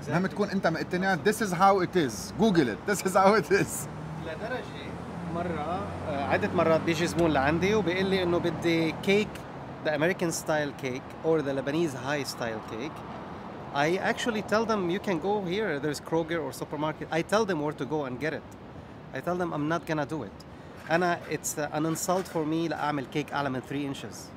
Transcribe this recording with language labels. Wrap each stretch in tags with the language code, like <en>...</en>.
<en>Exactly.</en> <ar>مهم تكون انت مقتنع.</ar> <en>This is how it is. Google it. This is how it is.</en> <ar>لدرجه مره عدة مرات بيجي زبون لعندي وبيقول لي انه بدي كيك</ar> <en>the American style cake</en> <ar>اور ذا لبنيز هاي ستايل كيك.</ar> <en>I actually tell them you can go here, there's Kroger or supermarket. I tell them where to go and get it. I tell them I'm not gonna do it.</en> <ar>أنا</ar> <en>it's an insult for me</en> <ar>لأعمل كيك أعلى من</ar> <en>3 inches.</en>